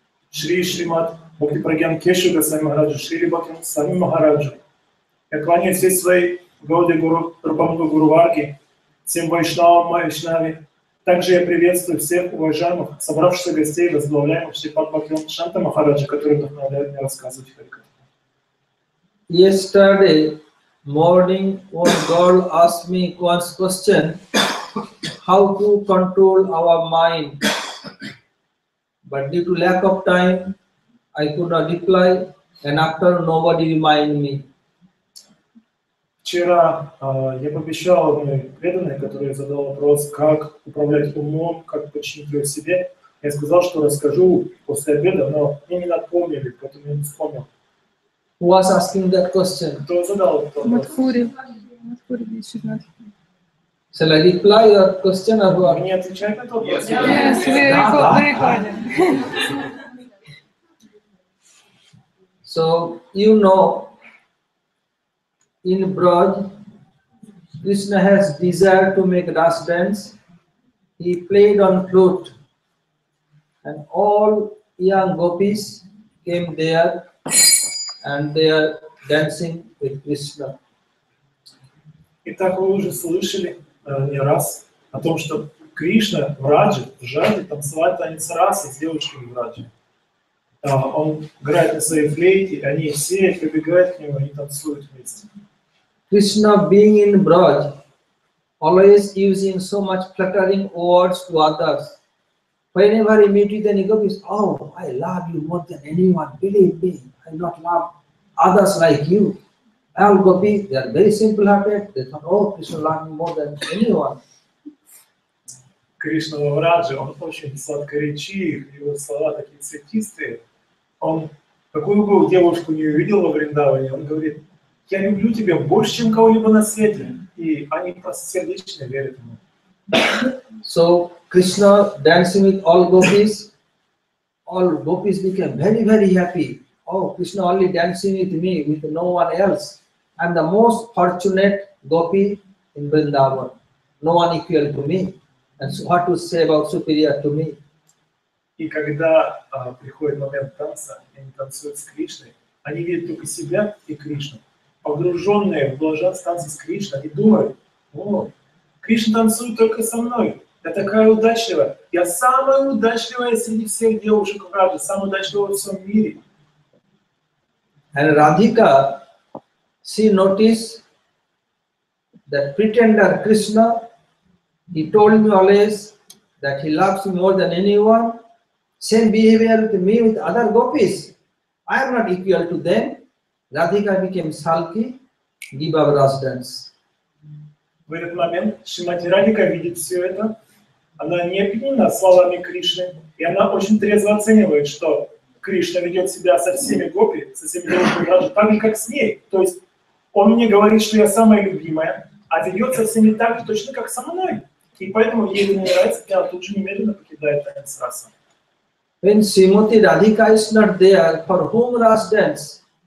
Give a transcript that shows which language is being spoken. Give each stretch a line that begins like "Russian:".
Russian: Шри Шримад Бхакти Прагьян Кешива Свами Махараджа, Шри Бхактин Свами Махараджа. Я кланяюсь всей своей Гауди Гуру, Трупамду Гуру Варги, всем Вайшнавам, Майшнаве. Также я приветствую всех уважаемых, собравшихся гостей, возглавляемых Шри Пад Бхактин Шанта Махараджа, который вдохновляет мне рассказывать Харикатху.
English: Yesterday morning one girl asked me one question, how to control our mind. But due to lack of time, I could not reply, and after nobody remind me.
Russian: Вчера я пообещал одной преданной, которая задала вопрос, как управлять умом, как починить ее себе. Я сказал, что расскажу после обеда, но мне не напомнили, поэтому я не вспомнил.
English: Who was asking that question?
Russian: Кто задал этот вопрос? Мадхури. Мадхури,
English: Shall I reply your question or what?
Russian: Не отвечает на тот вопрос.
English: Yes, yes, yes. Yes. Yes.
Russian: Да, да, да. Да.
English: So, you know, in Braj, Krishna has desire to make Ras dance. He played on flute and all young gopis came there and they are dancing with Krishna.
Russian: Итак, вы уже слышали не раз о том, что Кришна в Радже жаждет танцевать танец расы с девушками в Радже. Он играет на своей флейте, они все прибегают к нему, они танцуют вместе.
English: Krishna being in Braj, always using so much flattering words to others. Whenever he meets with any gopis, oh, I love you more than anyone, believe me, I do not love others like you. All gopis, they are very simple hearted, they thought, oh, Krishna loves me more than anyone.
Russian: Krishna во Врадже, он очень сладкоречив, его слова такие цветистые. Он какую бы девушку не увидел во Вриндаване, он говорит, я люблю тебя больше, чем кого-либо на свете. И они сердечно верят ему.
English: So, Krishna dancing with all gopis became very, very happy. Oh, Krishna only dancing with me, with no one else. I'm the most fortunate gopi in Vrindavan. No one equal to me. And so what to say about superior to me?
Russian: И когда приходит момент танца, они танцуют с Кришной, они видят только себя и Кришну. Погруженные в блаженство танца с Кришной, они думают, о, Кришна танцует только со мной. Я такая удачливая. Я самая удачливая среди всех девушек в Радже, самая удачливая во всем мире.
English: And Radhika, she noticed that pretender Krishna, he told me always that he loves me more than anyone. Same behavior with me with other gopis. I am not equal to them. Radhika became sulky, give up Ras dance.
Russian: В этот момент Шримати Радика видит все это. Она не опьянена словами Кришны, и она очень трезво оценивает, что Кришна ведет себя со всеми гопи, со всеми девушками Раджи, так же, как с ней. То есть он мне говорит, что я самая любимая, а ведет со всеми так же, точно как со мной. И поэтому ей не нравится, и она тут же немедленно покидает танец раса.
English: When Srimati Radhika is not there, for whom Ras dance?